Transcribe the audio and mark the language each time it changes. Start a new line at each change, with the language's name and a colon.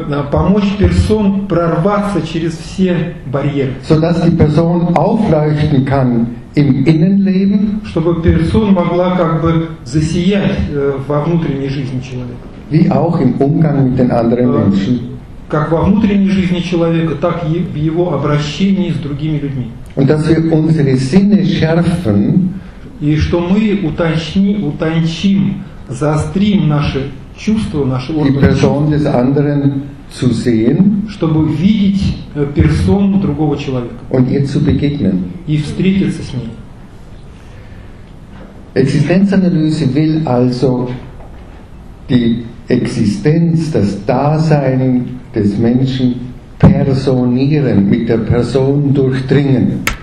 Russian: Помочь персон прорваться через все барьеры.
German: So dass die Person aufleuchten kann im Innenleben.
Russian: Чтобы персон могла как бы засиять во внутренней жизни человека.
German: Wie auch im Umgang mit den anderen Menschen.
Russian: Как во внутренней жизни человека, так и в его обращении с другими людьми.
German: Und dass wir unsere Sinne schärfen,
Russian: и что мы утончим, заострим наши чувства, наши органы,
German: die Person des anderen zu sehen,
Russian: чтобы видеть персону другого человека.
German: Und ihr zu begegnen.
Russian: И встретиться с ней.
German: Existenzanalyse will also die Existenz, das Dasein des Menschen personieren, mit der Person durchdringen.